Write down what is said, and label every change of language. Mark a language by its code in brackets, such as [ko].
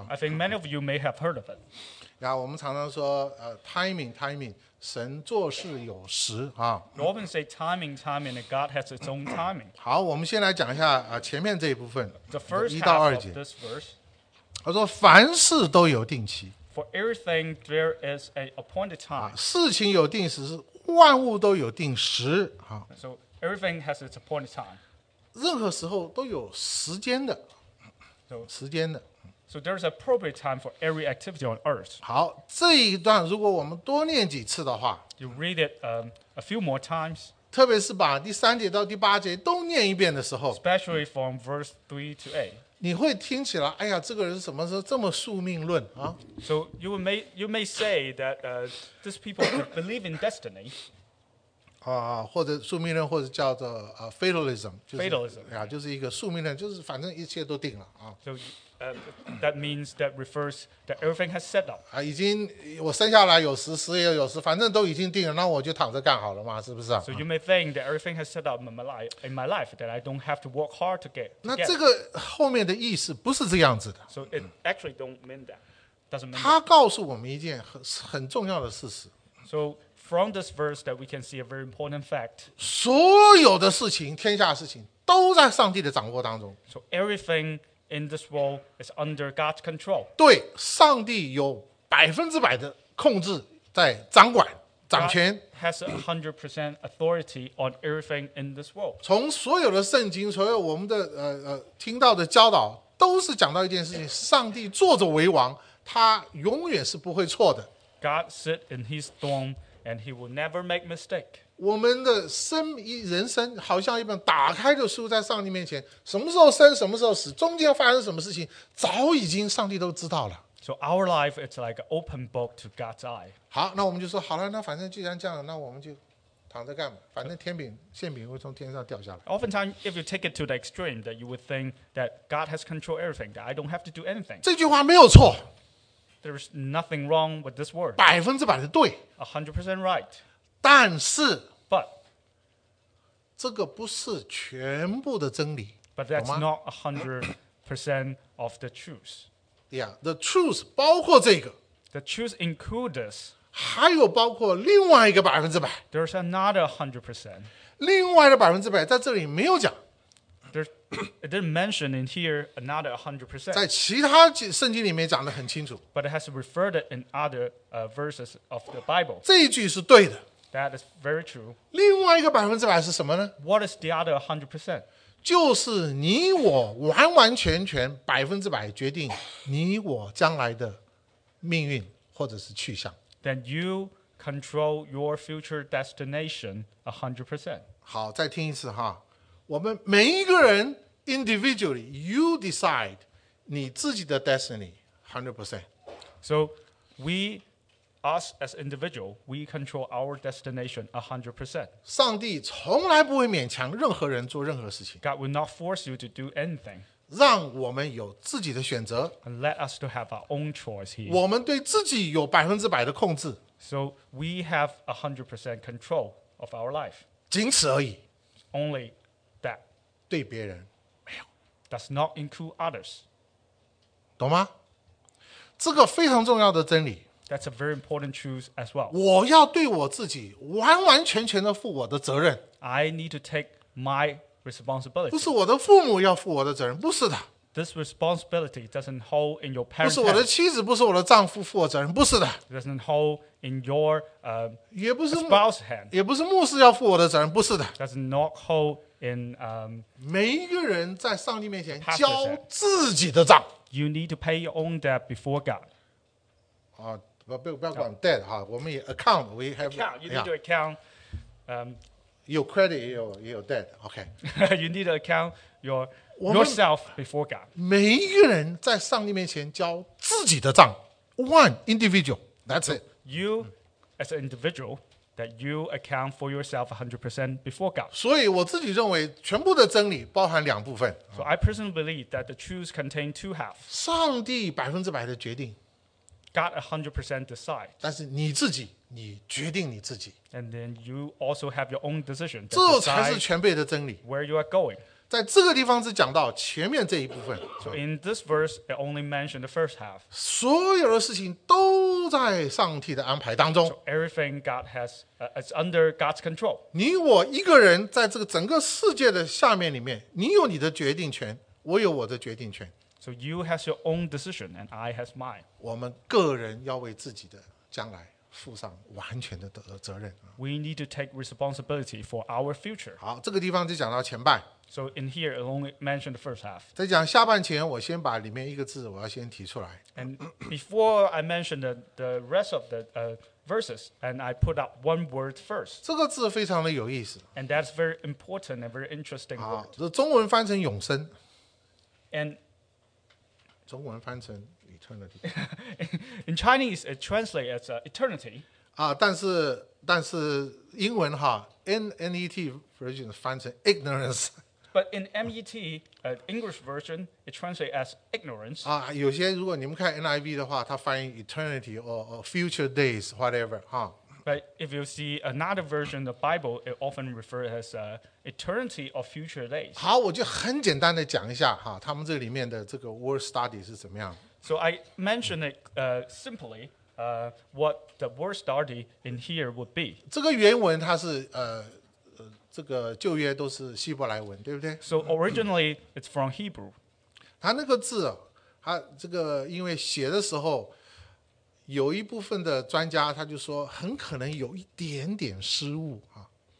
[en] I think many of you may have heard of it [zh] 然后我们常常说、timing 神做事有时 [en] You often say timing and God has its own timing [zh] 好我们先来讲一下、前面这一部分 [en] The first [zh] 一到二节 [en] half of this verse [zh] 他说凡事都有定期 [en] For everything, there is an appointed time. [zh] 事情有定时，万物都有定时。 [en] So everything has its appointed time. [zh] 任何时候都有时间的。 [en] So there is an appropriate time for every activity on earth. [zh] 好，这一段如果我们多念几次的话 [en] You read it a few more times. [zh] 特别是把第三节到第八节都念一遍的时候 [en] Especially from verse 3 to 8. [zh] 你会听起来，哎呀，这个人怎么说这么宿命论啊 [en] ？So you may say that these people believe in destiny. [zh] 啊，或者宿命论，或者叫做fatalism， 就是 [en] fatalism. [zh] 呀，就是一个宿命论，就是反正一切都定了啊。 [en] So that means that refers that everything has set up. [zh] 啊，已经我生下来有时死也有时，反正都已经定了，那我就躺着干好了嘛，是不是、啊、 [en] ？So you may think that everything has set up in my life that I don't have to work hard to get. [zh] 那这个后面的意思不是这样子的。 [en] So it actually don't mean that. Doesn't mean. [zh] 他告诉我们一件很重要的事实。 [en] So from this verse that we can see a very important fact. [zh] 所有的事情，天下事情都在上帝的掌握当中。 [en] So everything. In this world, it's under God's control. [zh] 对，上帝有百分之百的控制在掌管掌权。 [en] God has 100% authority on everything in this world. [zh] 从所有的圣经，所有我们的听到的教导，都是讲到一件事情：上帝坐着为王，他永远是不会错的。 [en] God sit in His throne, and He will never make mistake. [zh] 我们的生人生好像一本打开的书在上帝面前什么时候生什么时候死中间发生什么事情早已经上帝都知道了 [en] So our life is like an open book to God's eye [zh] 好那我们就说好了那反正既然这样那我们就躺着干嘛反正天饼馅饼会从天上掉下来 [en] Oftentimes if you take it to the extreme that you would think that God has control everything that I don't have to do anything [zh] 这句话没有错 [en] There is nothing wrong with this word [zh] 百分之百的对 [en] 100% right [zh] 但是 [en] But, [zh] 这个不是全部的真理 [en] But that's not 100% of the truth Yeah, the truth [zh] 包括这个 [en] The truth includes [zh] 还有包括另外一个百分之百 [en] There's another 100% [zh] 另外的百分之百在这里没有讲 [en] It didn't mention in here another 100% [zh] 在其他圣经里面讲得很清楚 [en] But it has referred in other verses of the Bible [zh] 这一句是对的 [en] That is very true. [zh] 另外一个百分之百是什么呢 [en] What is the other 100%? [zh] 就是你我完完全全百分之百决定你我将来的命运或者是去向 [en] Then you control your future destination 100%. [zh] 好，再听一次哈。我们每一个人 [en] individually, you decide [zh] 你自己的 destiny 100%. [en] So we, us as individual, we control our destination 100%. [zh] 上帝从来不会勉强任何人做任何事情。 [en] God will not force you to do anything. [zh] 让我们有自己的选择。 [en] And let us to have our own choice here. [zh] 我们对自己有百分之百的控制。 [en] So we have 100% control of our life. [zh] 仅此而已。 [en] Only that. [zh] 对别人没有。 [en] Does not include others. [zh] 懂吗？这个非常重要的真理。 [en] That's a very important truth as well. [zh] 我要对我自己完完全全的负我的责任。 [en] I need to take my responsibility. [zh] 不是我的父母要负我的责任，不是的。 [en] This responsibility doesn't hold in your parents. [zh] 不是我的妻子，不是我的丈夫负我责任，不是的。 [en] Doesn't hold in your spouse hand. [zh] 也不是牧师要负我的责任，不是的。 [en] Does not hold in [zh] 每一个人在上帝面前交自己的账。 [en] You need to pay your own debt before God. [zh] 啊，不要管 debt 哈，我们也 account. [en] We have account. You need to account. [zh] 有 credit 也有 debt, OK. [en] You need to account yourself before God. [zh] 每一个人在上帝面前交自己的账。 [en] One individual, that's it. You, as an individual, that you account for yourself 100% before God. [zh] 所以我自己认为全部的真理包含两部分。 [en] So I personally believe that the truth contains two halves. [zh] 上帝百分之百的决定。 [en] God 100% decides. [zh] 但是你自己。你决定你自己。 [en] And then you also have your own decision. [zh] 这才是全备的真理。 [en] Where you are going. [zh] 在这个地方只讲到前面这一部分。 [en] So in this verse, it only mentioned the first half. [zh] 所有的事情都在上帝的安排当中。 [en] So everything God has, is under God's control. [zh] 你我一个人在这个整个世界的下面里面，你有你的决定权，我有我的决定权。 [en] So you has your own decision and I has mine. [zh] 我们个人要为自己的将来。负上完全的责任。 [en] We need to take responsibility for our future. [zh] 好，这个地方就讲到前半。 [en] So in here, it only mentioned the first half. [zh] 在讲下半前，我先把里面一个字，我要先提出来。 [en] And before I mention the rest of the verses, and I put up one word first. [zh] 这个字非常的有意思。 [en] And that's very important and very interesting word. [zh] 好，中文翻成永生。 [en] And [zh] 中文翻成。Eternity. [en] In Chinese, it translates as eternity. [zh] 但是英文哈 ，NET version 翻成 ignorance. [en] But in MET, English version, it translates as ignorance. [zh] 有些如果你们看 NIV 的话，它翻译 [en] eternity or future days, whatever, [zh] 哈。 [en] But if you see another version of the Bible, it often refers as eternity or future days. [zh] 好，我就很简单的讲一下哈，他们这里面的这个 word study 是怎么样。 [en] So I mention it simply what the word study in here would be. [zh] 这个原文它是这个旧约都是希伯来文，对不对 [en] ？So originally it's from Hebrew. [zh] 它那个字，它这个因为写的时候，有一部分的专家他就说很可能有一点点失误啊。